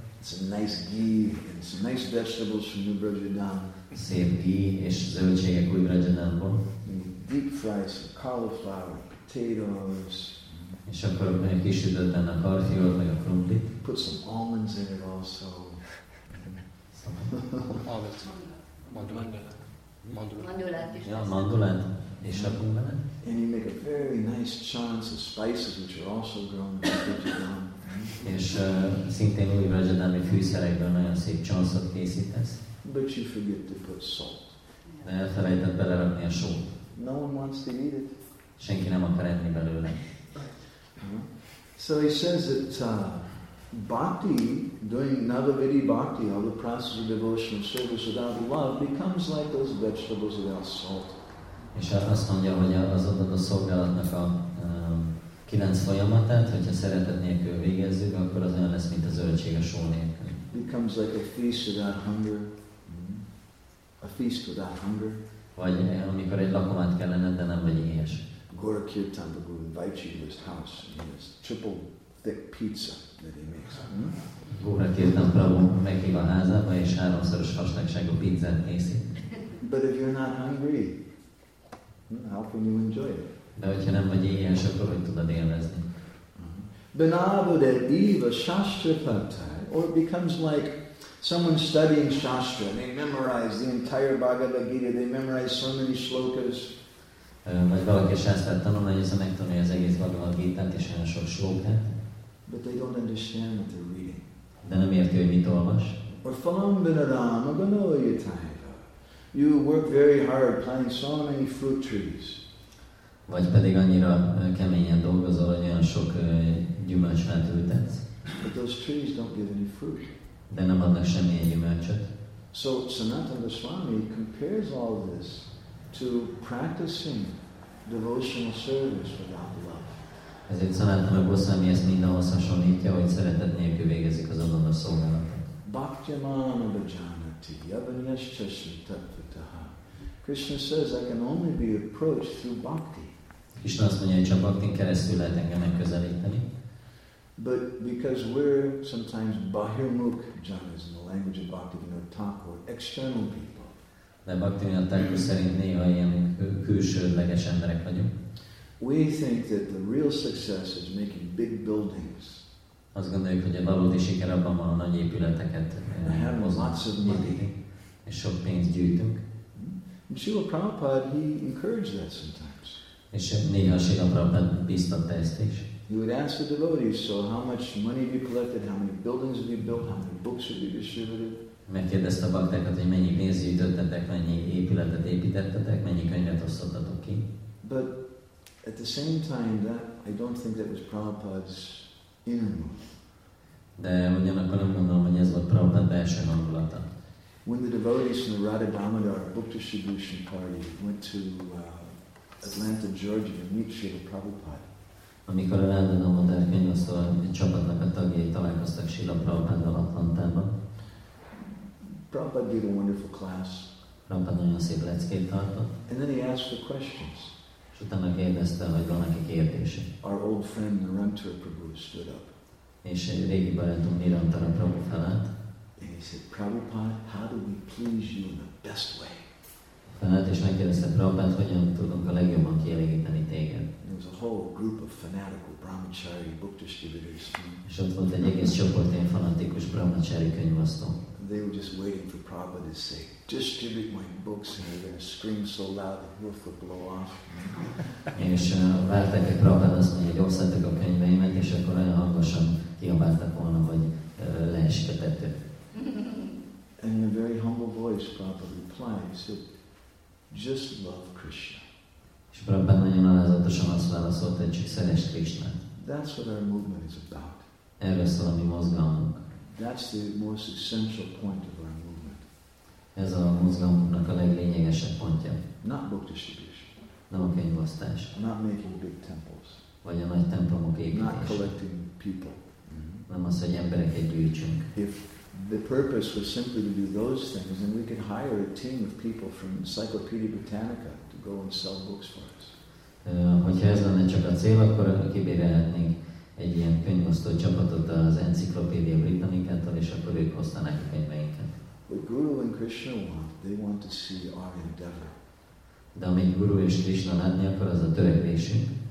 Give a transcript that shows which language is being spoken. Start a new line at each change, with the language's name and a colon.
English: Some nice ghee and some nice vegetables from New Brajadam. Same ghee
Hungarian: és zöldségek új Brajadamból.
English: Deep fry some cauliflower, potatoes.
Hungarian: És akkor meg kisütötten a karfiol, meg a krumplit.
English: Put some almonds in it also. Almonds.
Hungarian: Mandulát. Mandulát. És rakunk bele.
English: And you make a very nice chance of spices which are also grown in Brajadam.
Hungarian: És szintén új Brajadami fűszerekből nagyon szép chance-ot készítesz.
English: But you forget to put salt.
Hungarian: De elfelejtett belerakni a sót.
English: No one wants to eat it.
Hungarian: Senki nem akar enni belőle.
English: So he says that bhakti, doing Navavidhi bhakti, all the process of devotion and service without love, becomes like those vegetables without salt.
Hungarian: És azt mondja, hogy az adott a szolgálatnak a 9 folyamatát, hogyha szeretet nélkül végezzük, akkor az olyan lesz, mint a zöldség a só nélkül.
English: Becomes like a feast without hunger. A feast without hunger.
Hungarian: Vagy amikor egy lakomát kellene, de nem vagy éhes.
English: Gaura Kirtan Bhagavan invites you to his house and his triple thick pizza that he makes.
Hungarian: Gaura Kirtan Prabhu meghív a házába és háromszoros vastagságú pizzát készít.
English: But if you're not hungry, how can you enjoy it?
Hungarian: De hogyha nem vagy éhes, akkor hogy tudod élvezni?
Sanskrit: Benavodet eva shastra paktai,
English: or it becomes like Someone studying Shastra, they memorize the entire Bhagavad Gita, they memorize so many shlokas. But they don't understand what they're reading.
Hungarian: De nem érti, hogy mit olvas.
English: Or Falam Binadam, you work very hard planting so many fruit trees.
Hungarian: Vagy pedig annyira keményen dolgozol, hogy olyan sok gyümölcsfát ültetsz.
English: But those trees don't give any fruit.
Hungarian: De nem adnak semmilyen gyümölcsöt.
English: So Sanatana Goswami compares all this to practicing devotional service without love.
Hungarian: Ezért Sanatana Goswami ezt mindenhoz hasonlítja, hogy szeretet nélkül végezik az azonos szolgálatot.
Sanskrit: Bhaktyamana bhajanati yavanyascha sutattvataha.
English: Krishna says I can only be approached through bhakti.
Hungarian: Krishna azt mondja, hogy csak bhaktin keresztül lehet engem megközelíteni.
English: But because we're sometimes
Sanskrit: bahirmukh janas
English: in the language of Bhaktivinoda Thakur, external people.
Hungarian: De Bhaktivinoda Thakur szerint néha ilyen külsődleges emberek vagyunk.
English: We think that the real success is making big buildings.
Hungarian: Azt gondoljuk, hogy a valódi siker abban van, a nagy épületeket hozni, és sok pénzt gyűjtünk.
English: And Srila Prabhupada, he encouraged that sometimes.
Hungarian: És néha Srila Prabhupada bíztatta ezt is.
English: He would ask the devotees, so how much money have you collected, how many buildings have you built, how many books have you distributed?
Hungarian: Megkérdezte a baktákat, hogy mennyi pénzt gyűjtöttetek, mennyi épületet építettetek, mennyi könyvet osztottatok ki.
English: But at the same time, that I don't think that was Prabhupada's innermost.
Hungarian: De ugyanakkor nem mondom, hogy ez volt Prabhupada belső hangulata.
English: When the devotees from the Radha Damodar book distribution party went to Atlanta, Georgia to meet Srila Prabhupada,
Hungarian: amikor a Radha Damodar könyvosztó csapatnak a tagjai találkoztak Srila Prabhupáddal Atlantában.
English: Prabhupada gave a wonderful class.
Hungarian: Prabhupada nagyon szép leckét tartott.
English: And then he asked for questions.
Hungarian: És utána kérdezte, hogy van neki kérdése.
English: Our old friend Narantara Prabhu stood up.
Hungarian: És egy régi barátom Narantara Prabhu felállt.
English: And he said, Prabhupada, how do we please you in the best way?
Hungarian: Felállt és megkérdezte Prabhupát, hogyan tudunk a legjobban kielégíteni téged.
English: There was a whole group of fanatical brahmachari book distributors.
Hungarian: És ott volt egy egész csoport ilyen fanatikus brahmachari könyvosztó.
English: They were just waiting for Prabhupada to say, distribute my books, and they're going to scream so loud the roof would blow off.
Hungarian: És várták, hogy Prabhupada azt mondja, hogy osztatok a könyveimet, és akkor olyan hangosan kiabáltak volna, hogy leesik a tető.
English: And in a very humble voice, Prabhupada replied, he said, just love Krishna.
Hungarian: És Prabhupada nagyon alázatosan azt válaszolta, hogy csak szeresd Krisnát.
English: That's what our movement is about.
Hungarian: Erről szól a mi mozgalmunk.
English: That's the most essential point of our movement.
Hungarian: Ez a mozgalmunknak a leglényegesebb pontja.
English: Not book distribution.
Hungarian: Nem a könyvosztás.
English: Not making big temples.
Hungarian: Vagy a nagy templomok építése.
English: Not collecting people.
Hungarian: Nem az, hogy embereket gyűjtsünk.
English: If the purpose was simply to do those things, then we could hire a team of people from Encyclopedia Britannica to go and sell books for us.
Hungarian: Hogyha ez lenne csak a cél, akkor kibérelhetnénk egy ilyen könyvosztó csapatot az Encyclopedia Britannicától, és akkor ők hoztanák a könyveinket.
English: What Guru and Krishna want, they want to see our endeavor.
Hungarian: De amit Guru és Krishna látni, akkor az a törekvésünk.